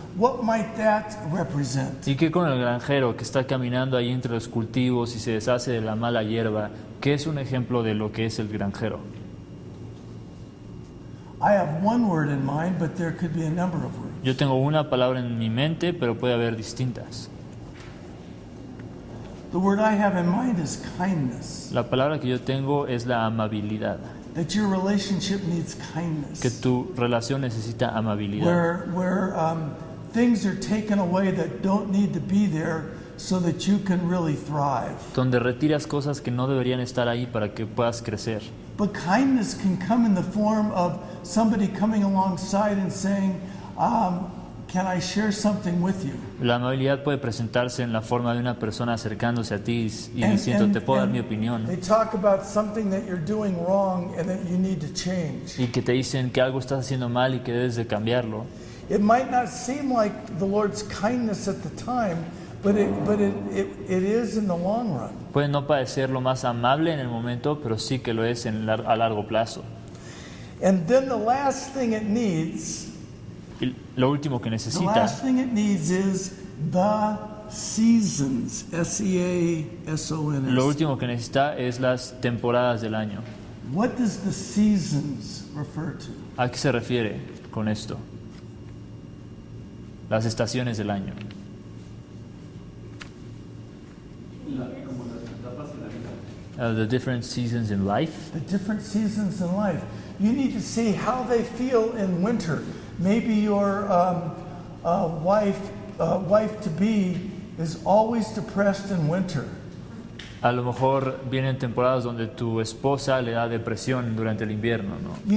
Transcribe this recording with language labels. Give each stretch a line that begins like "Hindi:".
English: What might that represent?
Spanish: ¿Y qué con el granjero que está caminando ahí entre los cultivos y se deshace de la mala hierba? ¿Qué es un ejemplo de lo que es el granjero?
English: I have one word in mind, but there could be a number of words.
Spanish: Yo tengo una palabra en mi mente, pero puede haber distintas.
English: The word I have in mind is kindness.
Spanish: La palabra que yo tengo es la amabilidad.
English: That your relationship needs kindness.
Spanish: Que tu relación necesita amabilidad.
English: Things are taken away that don't need to be there so that you can really thrive.
Spanish: Donde retiras cosas que no deberían estar ahí para que puedas crecer.
English: But kindness can come in the form of somebody coming alongside and saying, can I share something with you?
Spanish: La amabilidad puede presentarse en la forma de una persona acercándose a ti y diciendo, te puedo dar mi opinión.
English: They talk about something that you're doing wrong and that you need to change.
Spanish: Y que te dicen que algo estás haciendo mal y que debes de cambiarlo.
English: It might not seem like the Lord's kindness at the time, but it is in the long run.
Spanish: Puede no parecer lo más amable en el momento, pero sí que lo es a largo plazo.
English: And then the last thing it needs.
Spanish: Lo último que necesita.
English: The last thing it needs is the seasons. SEASONS.
Spanish: Lo último que necesita es las temporadas del año.
English: What does the seasons refer to?
Spanish: ¿A qué se refiere con esto? Las estaciones del año.
English: The different seasons in life. The different seasons in life. You need to see how they feel in winter. Maybe your wife-to-be is always depressed in winter.
Spanish: A lo mejor vienen temporadas donde tu esposa le da depresión durante el invierno, ¿no?